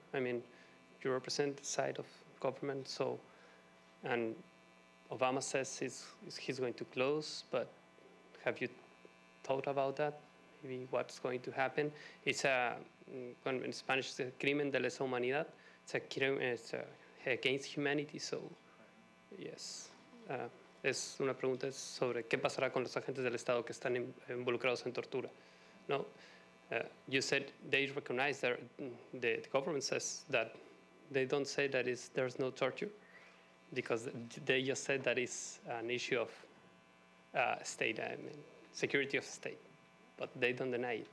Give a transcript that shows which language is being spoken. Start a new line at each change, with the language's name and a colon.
English: I mean, you represent the side of government, so, and Obama says he's going to close, but have you thought about that? maybe what's going to happen. It's a, in Spanish, it's a
Spanish: crimen de lesa humanidad.
English: It's a crime, it's a, against humanity, so yes.
Spanish: Es una pregunta sobre qué pasará con los agentes del Estado que están involucrados en tortura.
English: No, you said they recognize that the government says that they don't say that is there's no torture, because they just said that is an issue of state, I mean, security of state, but they don't deny it.